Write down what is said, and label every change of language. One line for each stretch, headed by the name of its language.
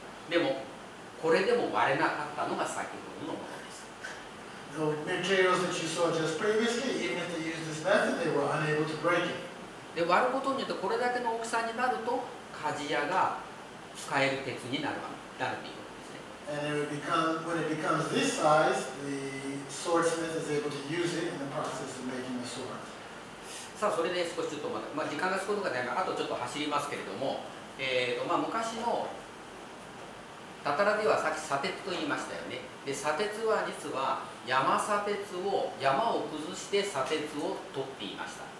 Japanese: でも、これでも割れなかったのが先ほどのものです。
English: The materials that you saw just previously, even if they used this method, they were unable to break it.
Japanese: で、割ることによってこれだけの大きさになると、鍛冶屋が使える鉄になるということですね。
English: And it would become, when it becomes this size, the swordsmith is able to use it in the process of making the sword.
Japanese: さあ、それで少しちょっとまだ、まあ、時間が少しとかないか、あとちょっと走りますけれども、まあ、昔のタタラではさっき砂鉄と言いましたよね。で、砂鉄は実は山砂鉄を、山を崩して砂鉄を取っていました。